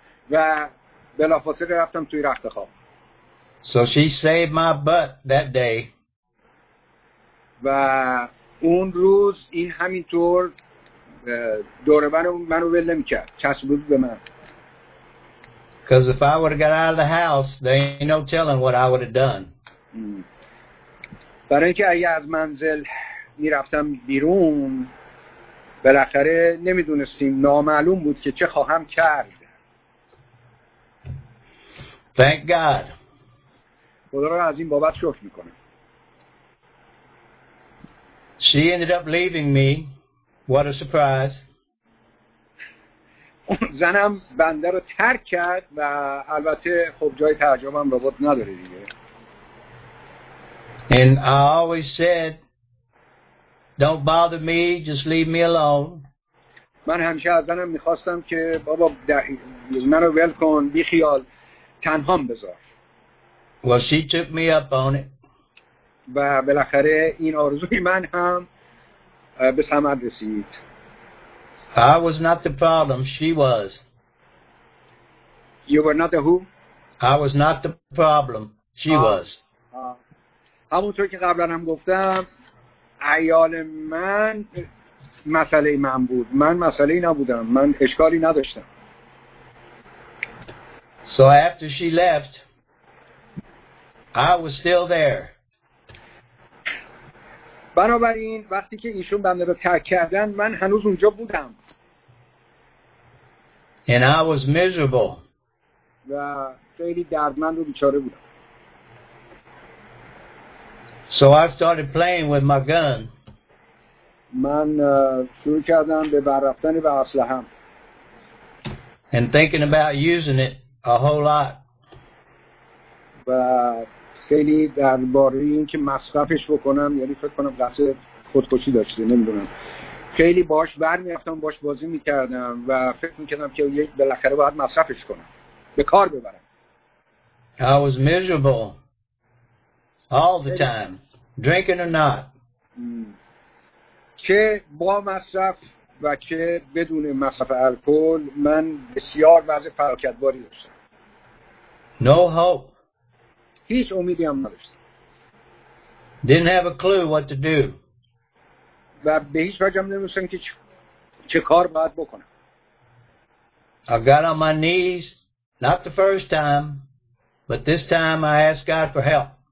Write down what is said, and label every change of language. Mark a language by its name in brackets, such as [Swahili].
[Persian] و بلافاصله رفتم توی رخت خواب. [English] So she saved my butt that day. [Persian] و اون روز این همینطور دور منو ول نمی‌کرد. چسبید به من. [English] Because if I would have got out of the house, there ain't no telling what I would have done. [Persian] برای اینکه اگه از منزل می‌رفتم بیرون بالاخره نمیدونستیم نامعلوم بود که چه خواهم کرد. [English] Thank God. [Persian] خدا را از این بابت شکر میکنم. [English] She ended up leaving me. What a surprise. [Persian] زنم بنده رو ترک کرد و البته خب جای تعجبم ربط نداره دیگه. [English] And I always said, don't bother me, just leave me alone. [Persian] من همیشه از زنم میخواستم که بابا منو ول کن بی خیال تنهام بذار. [English] Well, she took me up on it. [Persian] و بالاخره این آرزوی من هم به ثمر رسید. [English] I was not the problem, she was. You were not the who? I was not the problem, she was. [Persian] همونطور که قبلا هم گفتم عیال من مسئله من بود. من مسئله نبودم. من اشکالی نداشتم. [English] So after she left, I was still there. [Persian] بنابراین وقتی که ایشون بنده رو ترک کردن من هنوز اونجا بودم. [English] And I was miserable. [Persian] و خیلی دردمند و بیچاره بودم. [English] So I started playing with my gun. [Persian] من شروع کردم به برافتن به اسلحه‌ام. [English] And thinking about using it a whole lot. [Persian] و خیلی درباره این که مصرفش بکنم، یعنی فکر کنم قصد خودکشی داشته، نمیدونم. خیلی باش برمی‌افتادم، باش بازی می‌کردم و فکر می‌کردم که یک بالاخره باید مصرفش کنم، به کار ببرم. [English] I was miserable. All the time, drinking or not. [Persian] چه با مصرف و چه بدون مصرف الکل من بسیار وضع فراکتباری داشتم. [English] No hope. [Persian] هیچ امیدی هم نداشتم. [English] Didn't have a clue what to do. [Persian] و به هیچ وجه هم نمی‌دونستم که چه کار باید بکنم. [English] I got on my knees, not the first time, but this time I asked God for help.